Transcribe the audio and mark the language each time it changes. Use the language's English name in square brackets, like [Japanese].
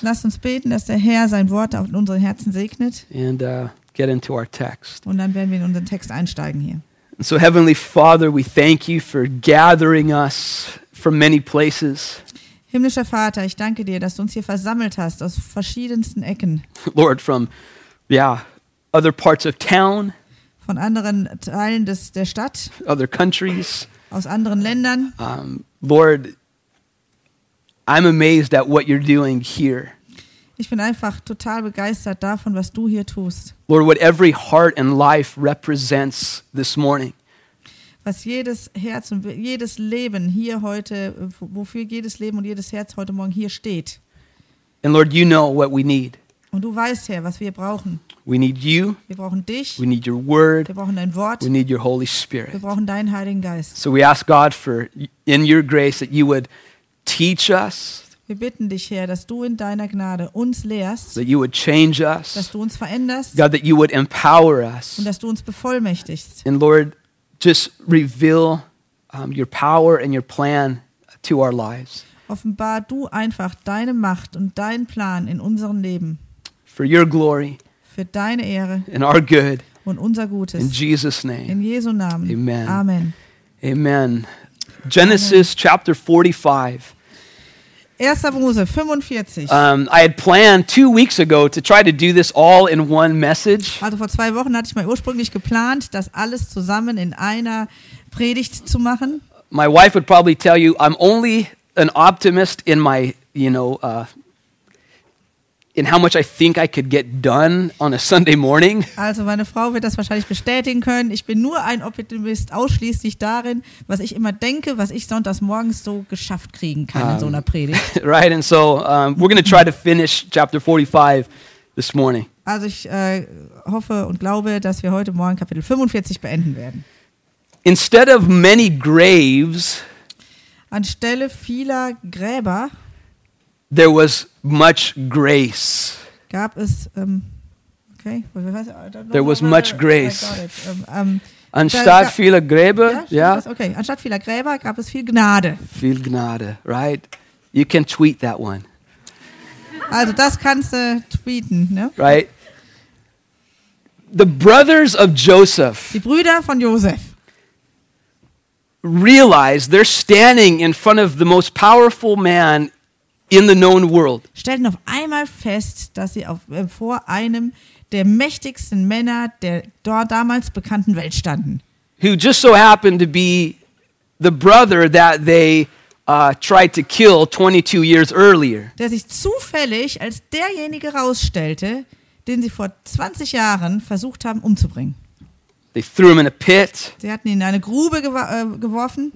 [German] Lasst uns beten, dass der Herr sein Wort auf unsere Herzen segnet. [English] And get into our text. [German] Und dann werden wir in unseren Text einsteigen hier. [English] And so Heavenly Father, we thank you for gathering us from many places. [German] Himmlischer Vater, ich danke dir, dass du uns hier versammelt hast aus verschiedensten Ecken. [English] Lord, from other parts of town, [German] von anderen Teilen der Stadt, [English] other countries, [German] aus anderen Ländern. [English] Lord, I'm amazed at what you're doing here. [German] Ich bin einfach total begeistert davon, was du hier tust. [English] Lord, what every heart and life represents this morning. [German] Was jedes Herz und jedes Leben hier heute, wofür jedes Leben und jedes Herz heute Morgen hier steht. [English] And Lord, you know what we need. [German] Und du weißt, Herr, was wir brauchen. [English] We need you. [German] Wir brauchen dich. [English] We need your word. [German] Wir brauchen dein Wort. [English] We need your Holy Spirit. [German] Wir brauchen deinen Heiligen Geist. [English] So we ask God for, in your grace, that you would teach us. [German] Wir bitten dich, Herr, dass du in deiner Gnade uns lehrst, [English] that you would change us, [German] dass du uns veränderst, [English] God, that you would empower us, [German] und dass du uns bevollmächtigst. [English] And Lord, just reveal your power and your plan to our lives. [German] Offenbar du einfach deine Macht und deinen Plan in unserem Leben. [English] For your glory, [German] für deine Ehre, [English] and our good, [German] und unser Gutes. [English] In Jesus' name. [German] In Jesu Namen. [English] Amen. [German] Amen. [English] Amen. Genesis chapter 45. [German] 1. Mose 45. [English] I had planned 2 weeks ago to try to do this all in one message. [German] Also vor 2 Wochen hatte ich mal ursprünglich geplant, das alles zusammen in einer Predigt zu machen. [English] My wife would probably tell you I'm only an optimist in my, you know, in how much I think I could get done on a Sunday morning. [German] Also meine Frau wird das wahrscheinlich bestätigen können. Ich bin nur ein Optimist ausschließlich darin, was ich immer denke, was ich sonntags morgens so geschafft kriegen kann in so einer Predigt. [English] Right, and so we're going to try to finish chapter 45 this morning. [German] Also ich hoffe und glaube, dass wir heute Morgen Kapitel 45 beenden werden. [English] Instead of many graves, [German] anstelle vieler Gräber, [English] there was much grace. [German] Gab es, okay. [English] There was much grace. [German] Anstatt vieler Gräber, [English] yeah. [German] Okay, anstatt vieler Gräber gab es viel Gnade. Viel Gnade, [English] right? You can tweet that one. [German] Also das kannst du tweeten, ne? [English] Right? The brothers of Joseph. [German] Die Brüder von Joseph. [English] Realize they're standing in front of the most powerful man in the known world. [German] Stellten auf einmal fest, dass sie vor einem der mächtigsten Männer der dort damals bekannten Welt standen. [English] Who just so happened to be the brother that they tried to kill 22 years earlier. [German] Der sich zufällig als derjenige rausstellte, den sie vor 20 Jahren versucht haben umzubringen. [English] They threw him in a pit. [German] Sie hatten ihn in eine Grube geworfen.